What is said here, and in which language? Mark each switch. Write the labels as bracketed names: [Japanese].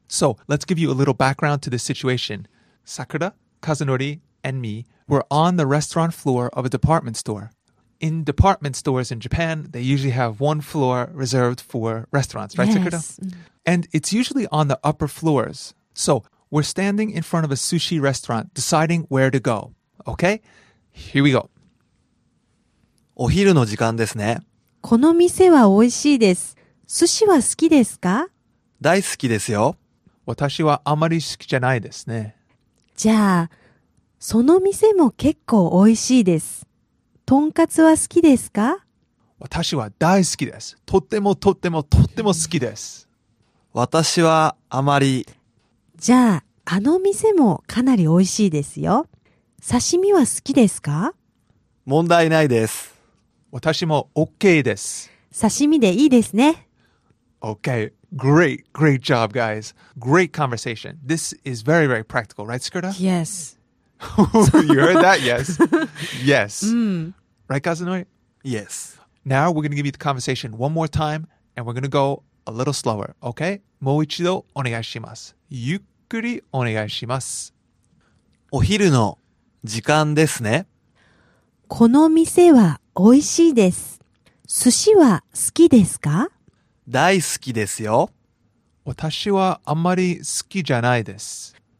[English] So let's give you a little background to the situation. Sakura, Kazunori,and me were on the restaurant floor of a department store. In department stores in Japan, they usually have one floor reserved for restaurants, right, Sakura? Yes. And it's usually on the upper floors. So we're standing in front of a sushi restaurant deciding where to go. Okay? Here we go. [Japanese] お昼の時間ですね。この店は美味しいです。寿司は好きですか？大好きですよ。私はあまり好きじゃないですね。じゃあ、その店も結構美味しいです。とんかつは好きですか？私は大好きです。とってもとってもとっても好きです。私はあまり。じゃあ、あの店もかなり美味しいですよ。刺身は好きですか？問題ないです。私も OK です。刺身でいいですね。 [English] OK。 Great, great job, guys. Great conversation. This is very, very practical, right, Skirta? Yes. You heard that? Yes. Yes.、Right, Kazunori? Yes. Now we're going to give you the conversation one more time, and we're going to go a little slower, okay? [Japanese] もう一度お願いします。ゆっくりお願いします。お昼の時間ですね。この店は美味しいです。寿司は好きですか？大好きですよ。私はあんまり好きじゃないです。